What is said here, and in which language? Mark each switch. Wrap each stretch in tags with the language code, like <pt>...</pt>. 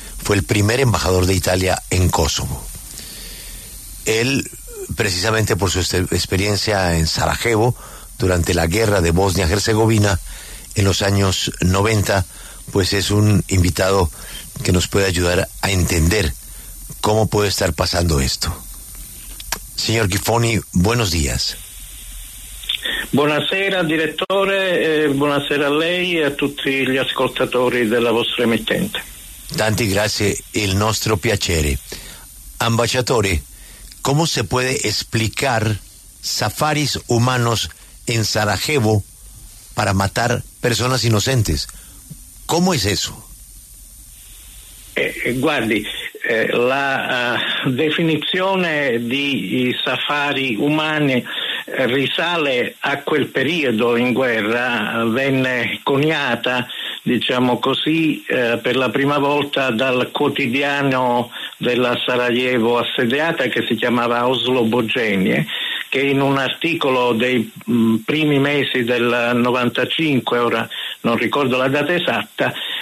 <es>Fue el primer embajador de Italia en Kosovo. Él, precisamente por su experiencia en Sarajevo durante la guerra de Bosnia-Herzegovina en los años 90, pues es un invitado que nos puede ayudar a entender cómo puede estar pasando esto. Señor Giffoni, buenos días.</es> <it>Buonasera direttore, buonasera a lei e a tutti gli ascoltatori della vostra emittente. Tanti grazie, il nostro piacere.</it> <es>Ambasciatore, ¿cómo se puede explicar safaris humanos en Sarajevo para matar personas inocentes? ¿Cómo es eso?</es> <it>Guardi, la definizione di safari umani risale a quel periodo in guerra, venne coniata, diciamo così, per la prima volta dal quotidiano della Sarajevo assediata, che si chiamava Oslo Bogenje, che in un articolo dei primi mesi del 95, ora non ricordo la data esatta,</it>